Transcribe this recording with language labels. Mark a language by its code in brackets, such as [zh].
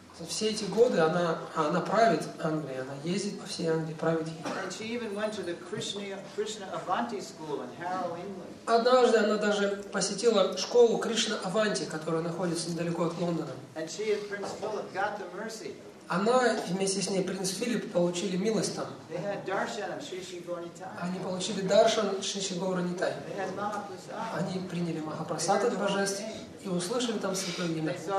[ru] За все эти годы она правит Англией, она ездит по всей Англии, правит ей. [en] And she even went to the Krishna Avanti school in Harrow, England. [ru] Однажды она даже посетила школу Кришна Аванти, которая находится недалеко от Лондона. [en] And she and Prince Philip got the mercy. [ru] Она вместе с ней принц Филипп получили милость там. [en] They had Darshan Shishi Gauranitai. [ru] Они получили Даршан Шиши Гауранитай. Они приняли Махапрасад от божеств. И услышали там святое имя.